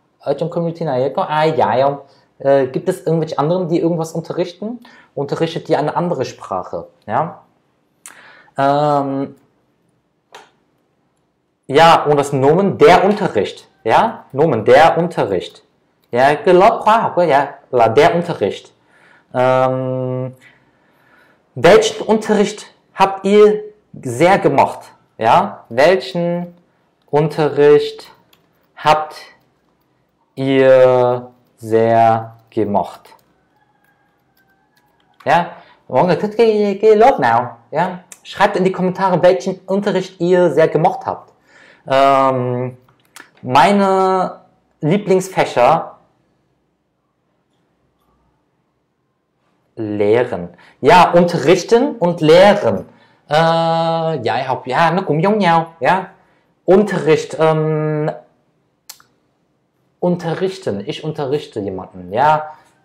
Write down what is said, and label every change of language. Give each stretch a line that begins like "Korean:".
Vietnamese: ở trong Community này có ai dạy không?
German: Gibt es irgendwelche anderen, die irgendwas unterrichten? Unterrichtet die eine andere Sprache? Ja. Ja, und das Nomen der Unterricht. Ja, Nomen der Unterricht. Ja, der Unterricht. Welchen Unterricht habt ihr sehr gemacht? Ja, welchen Unterricht habt ihr sehr gemacht?
Vietnamese: Ja, mọi người thích cái lớp nào?
German: Ja, schreibt in die Kommentare, welchen Unterricht ihr sehr gemacht habt. Meine Lieblingsfächer Lehren. Ja, unterrichten und lehren.
Vietnamese: Dạy học, ja, nó cũng giống nhau, ja.
German: Unterricht, unterrichten, ich unterrichte jemanden, ja.